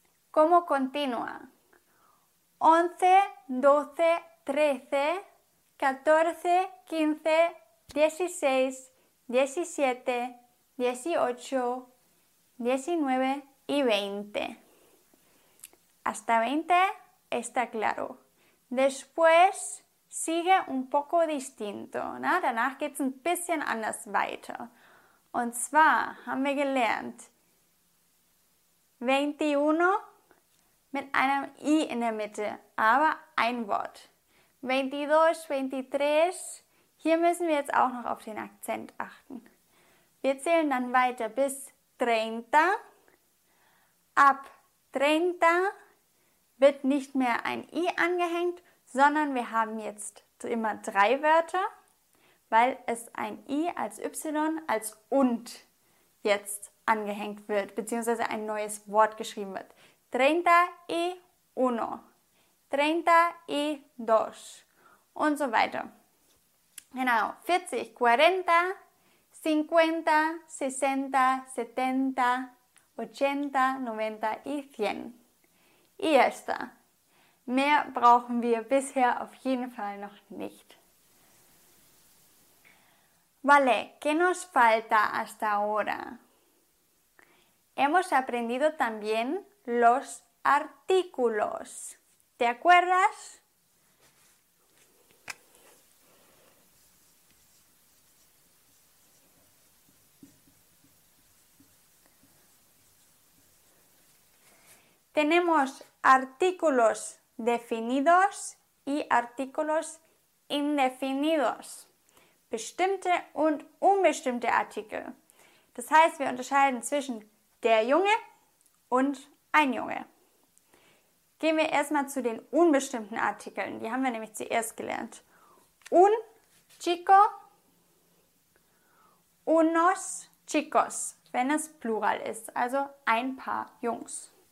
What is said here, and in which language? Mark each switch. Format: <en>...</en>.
<es>¿Cómo continúa? 11, 12, 13, 14, 15, 16, 17, 18, 19 y 20. Hasta 20 está claro. Después sigue un poco distinto, ¿no?</es> <de>Danach geht's ein bisschen anders weiter. Und zwar haben wir gelernt 21 mit einem I in der Mitte, aber ein Wort. 22, 23, hier müssen wir jetzt auch noch auf den Akzent achten. Wir zählen dann weiter bis 30. Ab 30 wird nicht mehr ein I angehängt, sondern wir haben jetzt immer drei Wörter, weil es ein I als Y, als UND jetzt angehängt wird, beziehungsweise ein neues Wort geschrieben wird. 31, 32 und so weiter. Genau, 40, 40, 50, 60, 70, 80, 90 und 100.</de> <es>Y ya está.</es> <de>Mehr brauchen wir bisher auf jeden Fall noch nicht.</de> <es>Vale, ¿qué nos falta hasta ahora? Hemos aprendido también los artículos. ¿Te acuerdas? Tenemos artículos definidos y artículos indefinidos.</es> <de>Bestimmte und unbestimmte Artikel. Das heißt, wir unterscheiden zwischen der Junge und ein Junge. Gehen wir erstmal zu den unbestimmten Artikeln. Die haben wir nämlich zuerst gelernt.</de> <es>Un chico, unos chicos,</es> <de>wenn es Plural ist, also ein paar Jungs.</de>